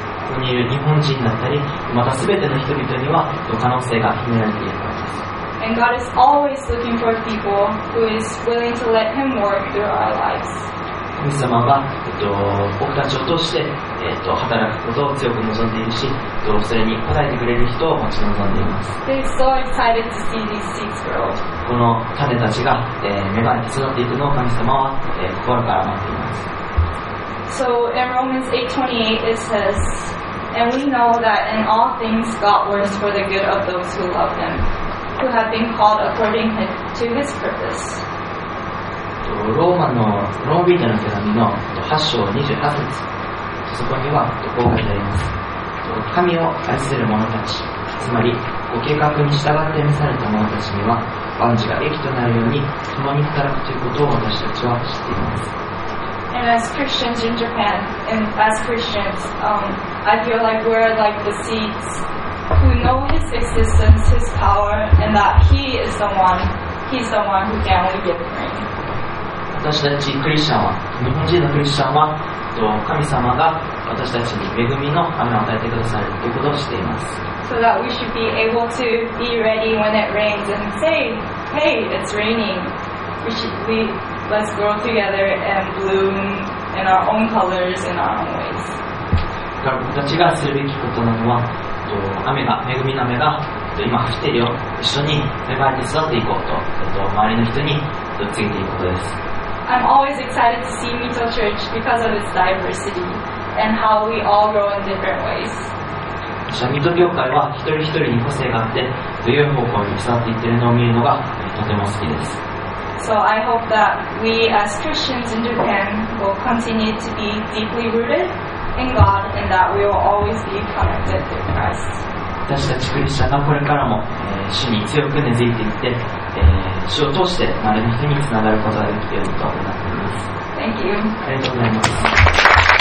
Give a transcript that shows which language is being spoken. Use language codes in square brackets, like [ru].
[ja] ここにいる日本人だったりまた全ての人々には可能性が秘められているからです。 [en] And God is always looking for people who is willing to let Him work through our lives. [ja] 神様は、僕たちを通して、働くことを強く望んでいるし、それに応えてくれる人を待ち望んでいます。 [en] They're so excited to see these seeds grow. [ja] この種たちが、芽生えて育っていくのを神様は、心から待っています。 [en] So in Romans 8:28 it says, And we know that in all things God works for the good of those who love Him, who have been called according to His purpose. [ja] ローマのローマ人の手紙の8章28節そこにはこう書いてあります。神を愛する者たち、つまりご計画に従って召された者たちには万事が益となるように共に働くということを私たちは知っています。 [en] And as Christians in Japan, and as Christians, I feel like we're like the seeds who know His existence, His power, and that He is the one, He's the one who can only give rain. [ja] 私たちクリスチャンは、日本人のクリスチャンは、神様が私たちに恵みの雨を与えてくださるということをしています。 [en] So that we should be able to be ready when it rains and say, hey, it's raining. We should be, let's grow together and bloom in our own colors, in our own ways. [ja] 僕たちがするべきことなのは、雨が、恵みの雨が今降っているよ。一緒に芽生えて育っていこうと、周りの人に告げていくことです。 [en] I'm always excited to see Mito Church because of its diversity and how we all grow in different ways. [ja] Mito 教会は一人一人に個性があって、どういう方向に育っていってるのを見るのがとても好きです。 [en] So I hope that we as Christians in Japan will continue to be deeply rooted in God and that we will always be connected to Christ. [ja] 私たちクリスチャンがこれからも、主に強く根付いていって、主を通して周りの人につながることができていると思っています。 [en] Thank you. [ja] ありがとうございます。